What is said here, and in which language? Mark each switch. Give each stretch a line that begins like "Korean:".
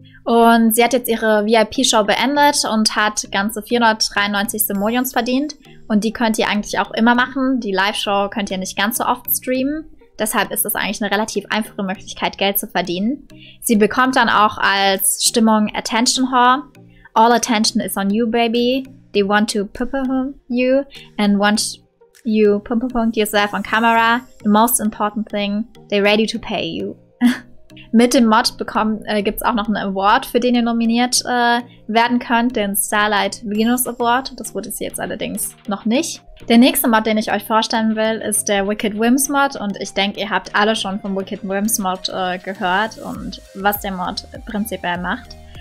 German: Und sie hat jetzt ihre VIP-Show beendet und hat ganze 493 Simoleons verdient. Und die könnt ihr eigentlich auch immer machen. Die Live-Show könnt ihr nicht ganz so oft streamen. Deshalb ist es eigentlich eine relativ einfache Möglichkeit, Geld zu verdienen. Sie bekommt dann auch als Stimmung Attention Whore.
English: All attention is on you, baby. They want to pump you and want you pump yourself on camera. The most important thing, they're ready to pay you.
German: Mit dem Mod gibt es auch noch einen Award, für den ihr nominiert werden könnt, den Starlight Venus Award. Das wurde es jetzt allerdings noch nicht. Der nächste Mod, den ich euch vorstellen will, ist der Wicked Whims Mod. Und ich denke, ihr habt alle schon vom Wicked Whims Mod gehört und was der Mod prinzipiell macht.